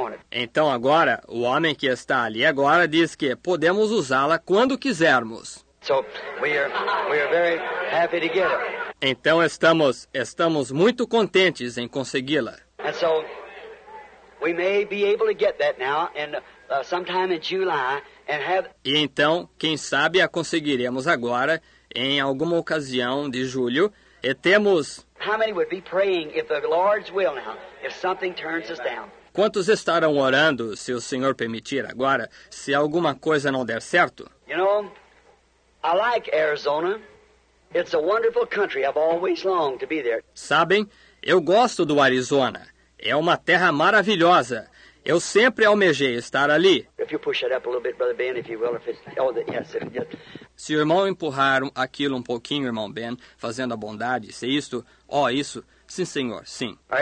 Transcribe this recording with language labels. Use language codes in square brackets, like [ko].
[pt] Então agora, o homem que está ali agora diz que podemos usá-la quando quisermos. [en] So we are very happy to get it. [pt] Então estamos muito contentes em consegui-la. [en] And so we may be able to get that now and sometime in July and have. [pt] E então, quem sabe a conseguiremos agora em alguma ocasião de julho, e temos. [en] How many would be praying if the Lord's will now, if something turns us down? [pt] Quantos estarão orando, se o Senhor permitir agora, se alguma coisa não der certo? [en] You know, I like Arizona. It's a wonderful country. I've always longed to be there. [pt] Sabem, eu gosto do Arizona. É uma terra maravilhosa. Eu sempre almejei estar ali. [en] If you push it up a little bit, Brother Ben, if you will, if it's. Oh, yes, if it's. [pt] Se o irmão empurrar aquilo um pouquinho, irmão Ben, fazendo a bondade, se isto, ó, oh, isso, sim, senhor, sim.